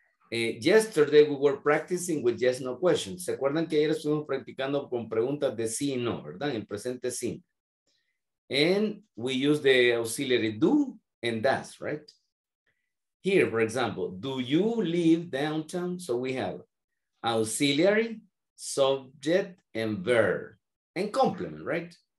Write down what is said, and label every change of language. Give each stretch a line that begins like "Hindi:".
English: Yesterday, we were practicing with yes, no questions.
Spanish: ¿Se acuerdan que ayer estuvimos practicando con preguntas de sí y no, verdad? En el presente simple.
English: And we use the auxiliary do and does, right? Here, for example, do you live downtown? So we have auxiliary, subject, and verb, and complement, right?